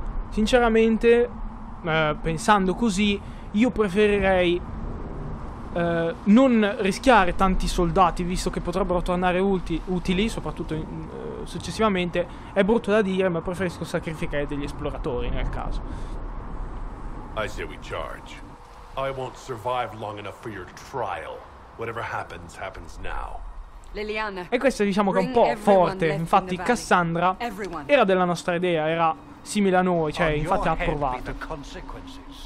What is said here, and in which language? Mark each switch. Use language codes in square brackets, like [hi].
[it] Sinceramente, pensando così, io preferirei non rischiare tanti soldati, visto che potrebbero tornare utili, soprattutto successivamente. È brutto da dire, ma preferisco sacrificare degli esploratori nel caso. [en] I say we charge. I won't survive long enough for your trial. Whatever happens, happens now. Liliana, [it] e questo diciamo che è un po' forte. Infatti Cassandra era della nostra idea, era simile a noi, cioè infatti ha approvato.